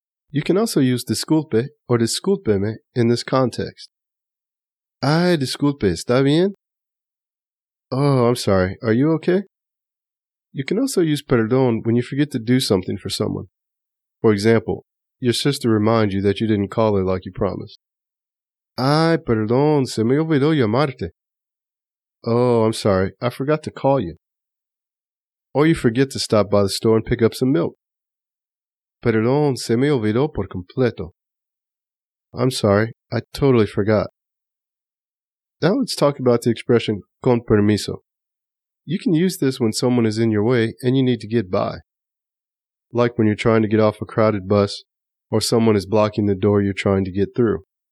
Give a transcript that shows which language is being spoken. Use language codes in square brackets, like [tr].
[en] You can also use disculpe or discúlpeme in this context. [es] Ay, disculpe, ¿está bien? [en] Oh, I'm sorry, are you okay? You can also use perdón when you forget to do something for someone. For example, your sister reminds you that you didn't call her like you promised. [es] Ay, perdón, se me olvidó llamarte. [en] Oh, I'm sorry, I forgot to call you. Or you forget to stop by the store and pick up some milk. [es] Perdón, se me olvidó por completo. [en] I'm sorry, I totally forgot. Now let's talk about the expression con permiso. You can use this when someone is in your way and you need to get by. Like when you're trying to get off a crowded bus or someone is blocking the door you're trying to get through.